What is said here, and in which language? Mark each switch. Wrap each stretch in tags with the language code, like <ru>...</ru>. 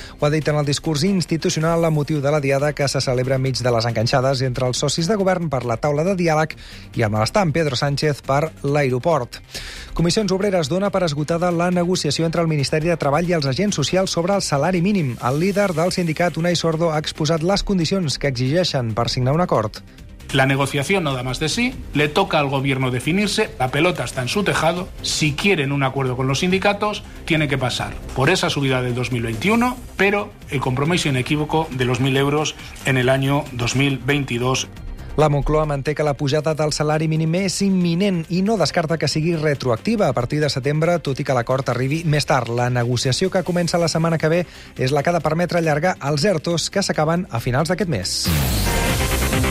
<ca>Ho ha dit en el discurs institucional a motiu de la diada que se celebra enmig de les enganxades entre els socis de govern per la taula de diàleg i el malestar amb Pedro Sánchez per l'aeroport. Comissions Obreres dona per esgotada la negociació entre el Ministeri de Treball i els agents socials sobre el salari mínim. El líder del sindicat, Unai Sordo, ha exposat les condicions que exigeixen per signar un acord.</ca> <es>La negociación no da más de sí, le toca al gobierno definirse, la pelota está en su tejado, si quieren un acuerdo con los sindicatos, tiene que pasar por esa subida del 2021, pero el compromiso inequívoco de los 1.000 euros en el año 2022.</es> <ca>La Moncloa manté que la pujada del salari mínim és imminent i no descarta que sigui retroactiva a partir de setembre, tot i que l'acord arribi més tard. La negociació que comença la setmana que ve és la que ha de permetre allargar els ERTOs que s'acaben a finals d'aquest mes.</ca>